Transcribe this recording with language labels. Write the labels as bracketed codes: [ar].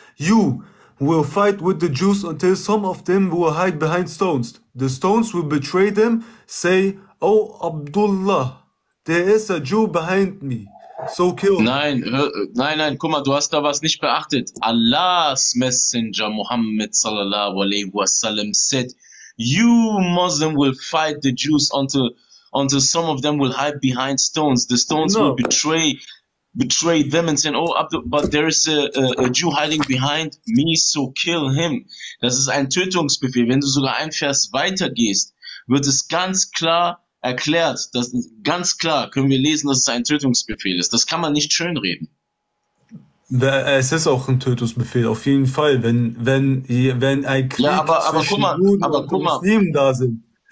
[en] You will fight with the Jews until some of them will hide behind stones. The stones will betray them, say, oh Abdullah, there is a Jew behind me, so kill. [de] Nein, guck mal, du hast da was nicht beachtet. [en] Allah's Messenger Muhammad sallallahu alaihi wasallam said, you Muslim will fight the Jews until some of them will hide behind stones. The stones will betray them and say, oh Abdullah, but there is a Jew hiding behind me, so kill him. [de] Das ist ein Tötungsbefehl. Wenn du sogar ein Vers weiter gehst, wird es ganz klar erklärt, dass ganz klar können wir lesen, dass es ein Tötungsbefehl ist. Das kann man nicht schönreden. Es ist auch ein Tötungsbefehl, auf jeden Fall. Wenn ein Krieg zwischen Juden und Muslimen da sind.